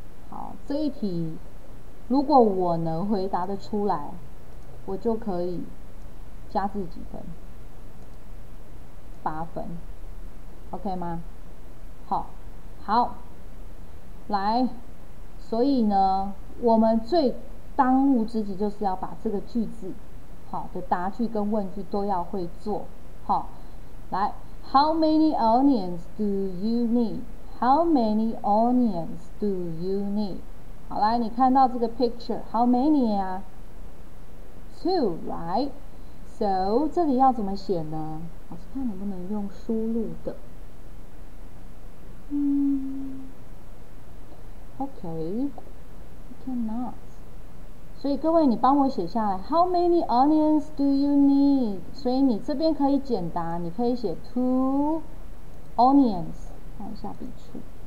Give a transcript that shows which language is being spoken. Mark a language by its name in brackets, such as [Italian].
[Chinese] 好，这一题如果我能回答得出来，我就可以加自己几分，8分 OK 吗？好，好，来，所以呢，我们最当务之急就是要把这个句子，好的答句跟问句都要会做。好，来， [English] How many onions do you need? How many onions do you need? [Chinese] 好，来，你看到这个 picture, how many 啊？ [English] Two, right? So, [Chinese] 这里要怎么写呢？老师看能不能用输入的。 [English] 嗯， OK, cannot. [Chinese] 所以各位你帮我写下来， [English] How many onions do you need? [Chinese] 所以你这边可以简答，你可以写 [English] two onions, [Chinese] 看一下笔触。